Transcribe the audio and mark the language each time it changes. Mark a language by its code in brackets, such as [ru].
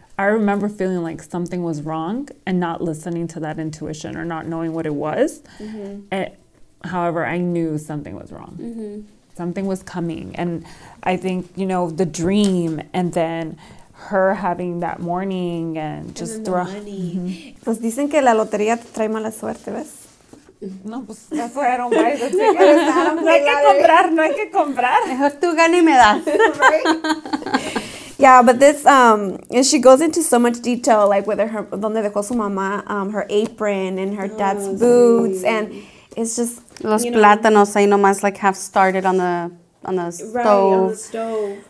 [en] I remember feeling like something was wrong and not listening to that intuition or not knowing what it was. Mm-hmm. However, I knew something was wrong. Mm-hmm. Something was coming, and I think, you know, the dream, and then her having that morning, and just throwing. Mm-hmm. [es] Pues dicen que la lotería te trae mala suerte, ¿ves? No, pues [en] that's why I don't buy the tickets. [es] No hay que comprar, no hay que comprar. Mejor tú gana y me das. [en] Yeah, but this, and she goes into so much detail, like whether her, [es] donde dejó su mamá, [en] her apron, and her dad's boots, and it's just. [es] Los plátanos ahí nomás, [en] like, have started on the stove. Right, on the stove.